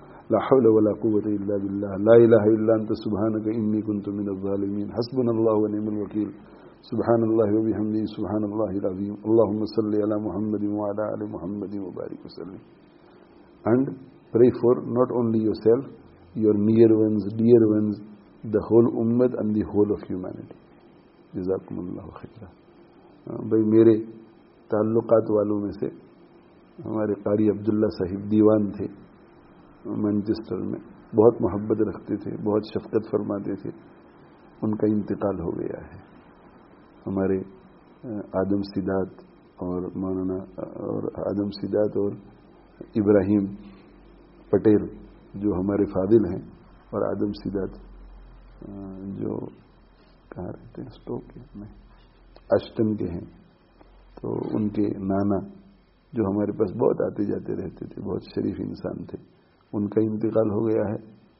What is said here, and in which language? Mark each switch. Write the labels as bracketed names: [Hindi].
[Arabic] لا حول ولا قوة إلا بالله لا إله إلا أنت سبحانك إني كنت من الظالمين حسبنا الله ونعم الوكيل سبحان الله وبحمده سبحان الله العظيم اللهم صل على محمد وعلى آل محمد وبارك وسلم. [English] And pray for not only yourself, your near ones, dear ones, the whole ummah and the whole of humanity. [Arabic] جزاكم الله خيرا. [Urdu] بھئی میرے تعلقات والوں میں سے ہمارے قاری عبداللہ صاحب دیوان تھے مانچسٹر میں, بہت محبت رکھتے تھے, بہت شفقت فرماتے تھے. ان کا انتقال ہو گیا ہے. ہمارے آدم سیدات اور مولانا اور آدم سیدات اور ابراہیم پٹیل جو ہمارے فاضل ہیں, اور آدم سیدات جو کہاں رہتے ہیں اسٹوک میں اشٹن کے ہیں, تو ان کے نانا جو ہمارے پاس بہت آتے جاتے رہتے تھے, بہت شریف انسان تھے, ان کا انتقال ہو گیا ہے.